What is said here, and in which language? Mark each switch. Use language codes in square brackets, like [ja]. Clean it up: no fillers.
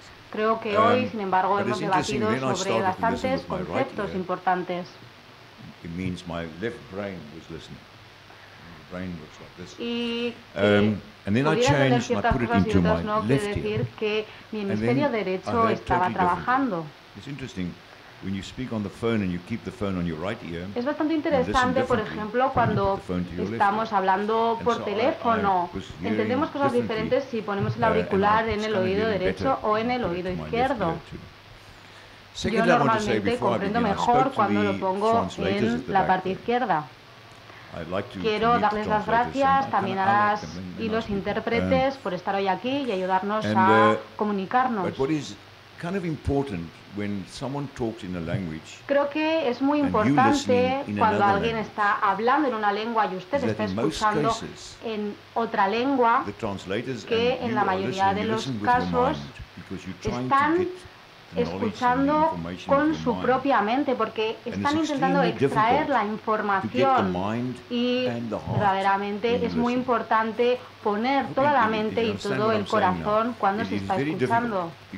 [es] Creo que hoy, sin embargo, hemos debatido sobre bastantes conceptos importantes. [en] It means my left brain was listening. My brain looks like this. And then I changed and I put it into my left ear. [es] Quiere decir que mi hemisferio derecho estaba trabajando. [en] It's interesting when you speak on the phone and you keep the phone on your right ear. [es] Es bastante interesante, por ejemplo, cuando estamos hablando por teléfono. Entendemos cosas diferentes si ponemos el auricular en el oído derecho o en el oído izquierdo. Yo normalmente comprendo mejor cuando lo pongo en la parte izquierda. Quiero darles las gracias también a las y los intérpretes por estar hoy aquí y ayudarnos a comunicarnos. [en] Kind of important when someone talks in a language. [es] Creo que es muy importante cuando alguien está hablando en una lengua y usted está escuchando en otra lengua, que en la mayoría de los casos están escuchando con su propia mente porque están intentando extraer la información y verdaderamente es muy importante poner toda la mente y todo el corazón cuando se está escuchando.